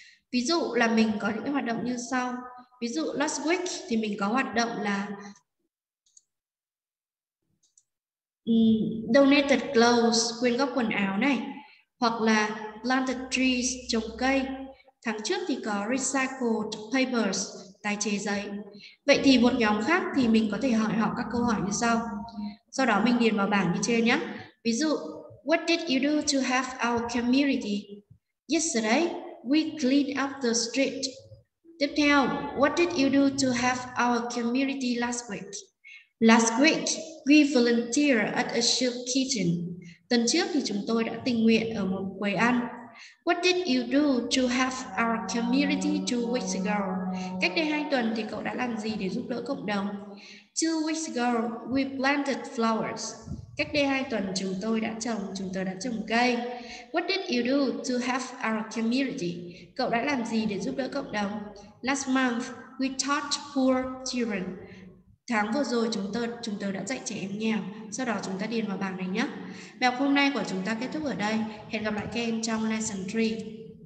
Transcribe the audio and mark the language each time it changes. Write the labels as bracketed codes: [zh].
[vi] Ví dụ là mình có những cái hoạt động như sau. Ví dụ [en] last week [vi] thì mình có hoạt động là [en] donated clothes, [vi] quyên góp quần áo này, hoặc là [en] planted trees, [vi] trồng cây. Tháng trước thì có [en] recycled papers, [vi] tái chế giấy. Vậy thì một nhóm khác thì mình có thể hỏi họ các câu hỏi như sau. Sau đó mình điền vào bảng như trên nhé. Ví dụ, [en] what did you do to help our community? Yesterday, we cleaned up the street. [vi] Tiếp theo, [en] what did you do to help our community last week? Last week, we volunteered at a soup kitchen. [vi] Tuần trước thì chúng tôi đã tình nguyện ở một quầy ăn. [en] What did you do to help our community 2 weeks ago? [vi] Cách đây 2 tuần thì cậu đã làm gì để giúp đỡ cộng đồng? [en] 2 weeks ago, we planted flowers. [vi] Cách đây 2 tuần chúng tôi đã trồng cây. [en] What did you do to help our community? [vi] Cậu đã làm gì để giúp đỡ cộng đồng? [en] Last month, we taught poor children. [vi] Tháng vừa rồi chúng tôi đã dạy trẻ em nghèo. Sau đó chúng ta điền vào bảng này nhé. Bài học hôm nay của chúng ta kết thúc ở đây. Hẹn gặp lại các em trong lesson 3.